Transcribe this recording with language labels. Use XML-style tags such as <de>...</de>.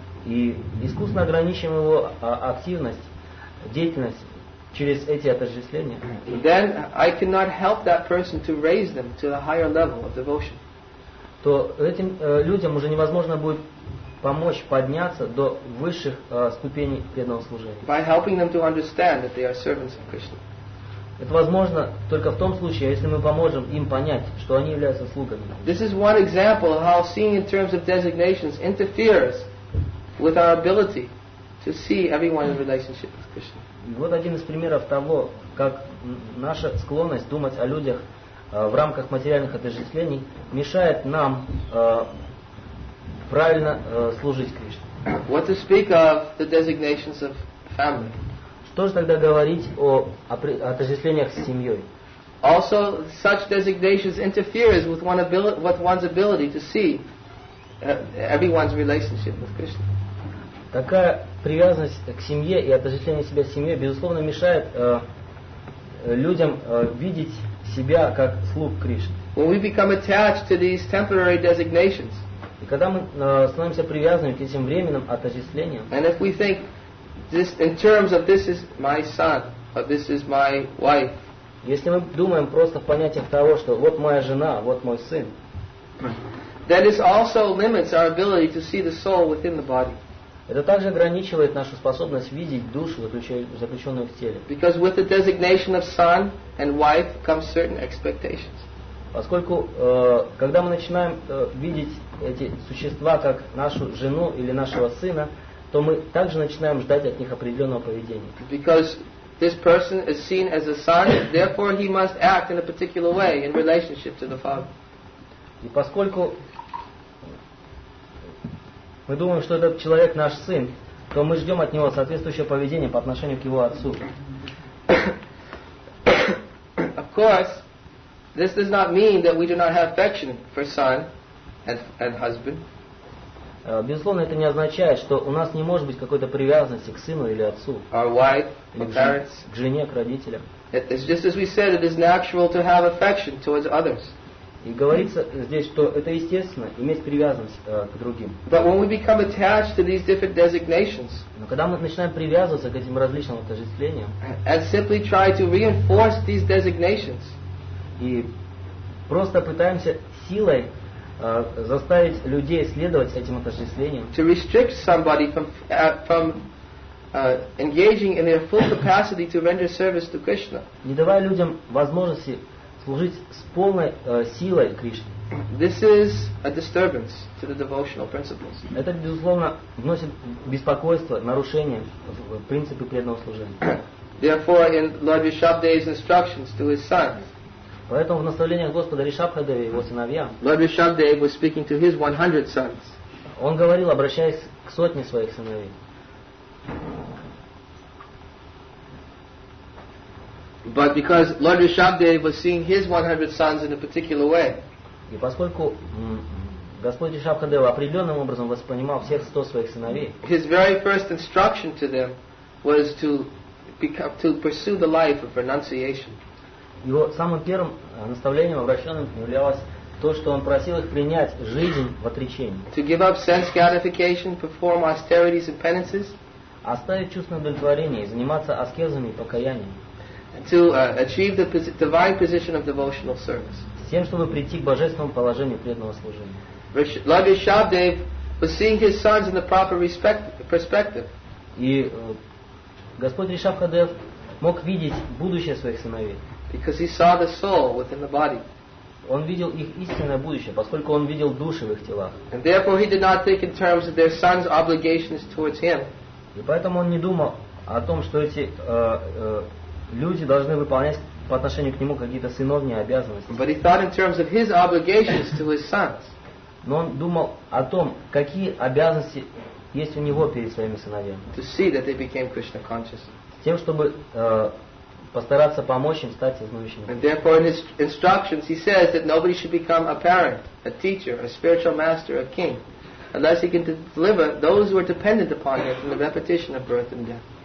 <ru>и искусно ограничиваем его активность, деятельность через эти отождествления,</ru> <en>then I cannot help that person to raise them to a higher level of devotion.</en> <ru>То этим людям уже невозможно будет помочь подняться до высших ступеней преданного служения.</ru> <en>By helping them to understand that they are servants of Krishna.</en> <ru>Это возможно только в том случае, если мы поможем им понять, что они являются слугами.</ru> <en>This is one example of how seeing in terms of designations interferes with our ability to see everyone in relationship with Krishna.</en> <ru>Вот один из примеров того, как наша склонность думать о людях в рамках материальных отождествлений мешает нам правильно служить Кришне.</ru> <en>What to speak of the designations of family?</en> <ru>Что же тогда говорить о отождествлениях с семьей?</ru> <en>Also, such designations interfere with one's ability to see everyone's relationship with Krishna.</en> <ru>Такая привязанность к семье и отождествление себя с семьей, безусловно, мешает людям видеть себя как слуг Кришны.</ru> <en>When we become attached to these temporary designations,</en> <ru>и когда мы становимся привязанными к этим временным отождествлениям,</ru> <en>and if we think this in terms of this is my son or this is my wife.</en> <ru>Если мы думаем просто в понятиях того, что вот моя жена, вот мой сын,</ru> <en>that is also limits our ability to see the soul within the body.</en> <ru>Это также ограничивает нашу способность видеть душу, заключенную в теле.</ru> <en>Because with the designation of son and wife comes certain expectations.</en> <ru>Поскольку когда мы начинаем видеть эти существа как нашу жену или нашего сына, то мы также начинаем ждать от них определенного поведения.</ru> <en>Because this person is seen as a son, therefore he must act in a particular way in relationship to the father.</en> <ru>И поскольку мы думаем, что этот человек наш сын, то мы ждем от него соответствующее поведение по отношению к его отцу.</ru> <en>Of course, this does not mean that we do not have affection for son and husband.</en> <ru>Безусловно, это не означает, что у нас не может быть какой-то привязанности к сыну или отцу.</ru> <en>Our wife, или parents.</en> <ru>К жене, к родителям.</ru> <en>It's just as we said, it is natural to have affection towards others.</en> <ru>И говорится здесь, что это естественно, иметь привязанность к другим.</ru> <en>But when we become attached to these different designations,</en> <ru>но когда мы начинаем привязываться к этим различным отождествлениям,</ru> <en>and simply try to reinforce these designations,</en> <ru>и просто пытаемся силой заставить людей следовать этим отождествлениям,</ru> <en>to restrict somebody from engaging in their full capacity to render service to Krishna,</en> <ru>не давая людям возможности служить с полной силой Кришне.</ru> <en>This is a disturbance to the devotional principles.</en> <ru>Это безусловно вносит беспокойство, нарушение в принципы преданного служения.</ru> <en>Therefore, in Lord Rishabhdev's instructions to his sons.</en> <ru>Поэтому в наставлениях Господа Ришабхадеви его сыновьям.</ru> <en>Lord Rishabhdev was speaking to his 100 sons.</en> <ru>Он говорил, обращаясь к сотне своих сыновей.</ru> <en>But because Lord Rishabhdev was seeing his 100 sons in a particular way,</en> <ru>и поскольку Господь Ришабхадева определенным образом воспринимал всех 100 своих сыновей,</ru> <en>his very first instruction to them was to pursue the life of renunciation.</en> <ru>Его самым первым наставлением обращенным являлось то, что он просил их принять жизнь в отречении.</ru> <en>To give up sense gratification, perform austerities and penances.</en> <ru>Оставить чувственное удовлетворение и заниматься аскезами и покаянием.</ru> <en>To achieve the divine position of devotional service.</en> <ru>С тем, чтобы прийти к божественному положению преданного служения.</ru> <en>Lord Rishabhdev was seeing his sons in the proper perspective.</en> <ru>И Господь Ришабхадев мог видеть будущее своих сыновей.</ru> <en>Because he saw the soul within the body.</en> <ru>Он видел их истинное будущее, поскольку он видел души в их телах.</ru> <en>And therefore he did not think in terms of their sons' obligations towards him.</en> <ru>И поэтому он не думал о том, что эти люди должны выполнять по отношению к нему какие-то сыновние обязанности.</ru> <en>But he thought in terms of his obligations to his sons.</en> <ru>Но он думал о том, какие обязанности есть у него перед своими сыновьями.</ru> <en>To see that they became Krishna conscious.</en> <ru>С тем, чтобы постараться помочь им стать сознающими.</ru> <en>And therefore in his instructions he says that nobody should become a parent, a teacher, a spiritual master, a king, unless he can deliver those who are dependent upon him from the repetition of birth and death.</en>